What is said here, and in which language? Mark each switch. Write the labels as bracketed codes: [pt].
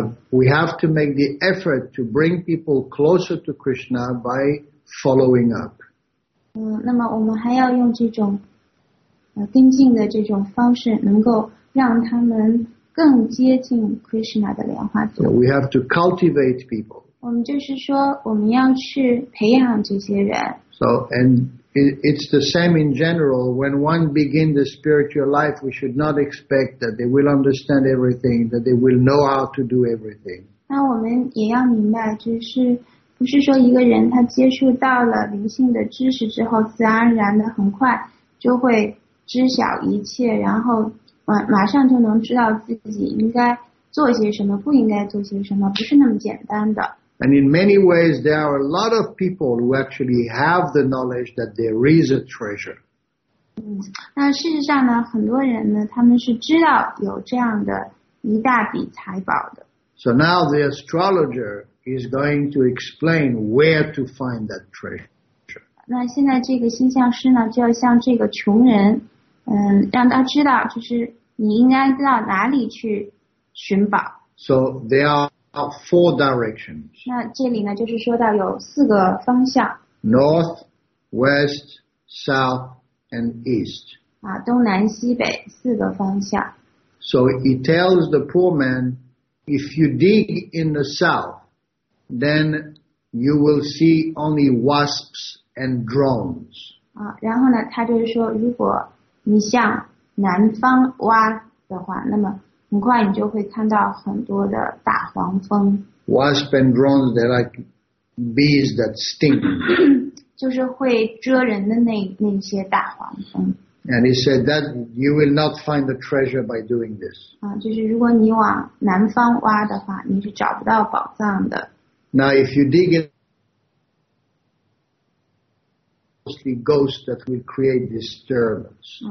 [en] We have to make the effort to bring people closer to Krishna by following up. [zh] 那么我们还要用这种跟进的这种方式，能够让他们更接近 Krishna 的莲花座。 [en] So we have to cultivate people. [zh] 我们就是说，我们要去培养这些人。 [en] So and. It's the same in general. When one begins the spiritual life, we should not expect that they will understand everything, that they will know how to do everything. [zh] 那我们也要明白，就是不是说一个人他接触到了灵性的知识之后自然而然的很快就会知晓一切，然后马上就能知道自己应该做些什么不应该做些什么，不是那么简单的。 [en] And in many ways, there are a lot of people who actually have the knowledge that there is a treasure. [zh] 那事实上呢，很多人呢，他们是知道有这样的一大笔财宝的。 [en] So now the astrologer is going to explain where to find that treasure. [zh] 那现在这个星象师呢，就要向这个穷人，让他知道，就是你应该到哪里去寻宝。 [en] So they are. Four directions. [zh] 那这里呢，就是说到有四个方向。 [en] North, west, south, and east. [zh] 啊，东南西北四个方向。 [en] So he tells the poor man, if you dig in the south, then you will see only wasps and drones. [zh] 啊，然后呢，他就是说，如果你向南方挖的话，那么很快你就会看到很多的大黄蜂。 [en] Wasp and drones, they're like bees that sting. [zh] 就是会蜇人的那些大黄蜂。 [en] And he said that you will not find the treasure by doing this. [zh] 啊，就是如果你往南方挖的话，你是找不到宝藏的。 [en] Now, if you dig in, mostly ghosts that will create disturbance.